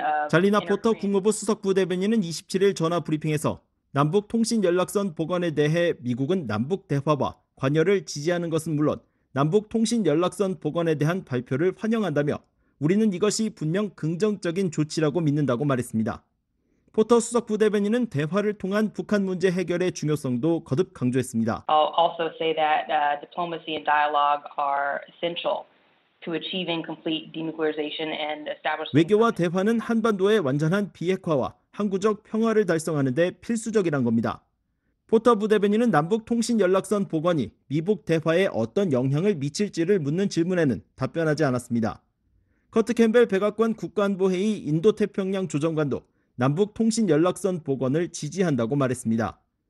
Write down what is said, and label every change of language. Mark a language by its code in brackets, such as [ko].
[ko] 잘리나 포터 국무부 수석부대변인은 27일 전화 브리핑에서 남북 통신 연락선 복원에 대해 미국은 남북 대화와 관여를 지지하는 것은 물론 남북 통신 연락선 복원에 대한 발표를 환영한다며 우리는 이것이 분명 긍정적인 조치라고 믿는다고 말했습니다. 포터 수석부대변인은 대화를 통한 북한 문제 해결의 중요성도 거듭 강조했습니다. [en] I'll also say that diplomacy and dialogue are essential. To achieving complete denuclearization and establishing [ko] 외교와 대화는 한반도의 완전한 비핵화와 항구적 평화를 달성하는 데 필수적이란 겁니다. 포터 부대변인은 남북 통신 연락선 복원이 미북 대화에 어떤 영향을 미칠지를 묻는 질문에는 답변하지 않았습니다. 커트 캠벨 백악관 국가안보회의 인도태평양 조정관도 남북 통신 연락선 복원을 지지한다고 말했습니다.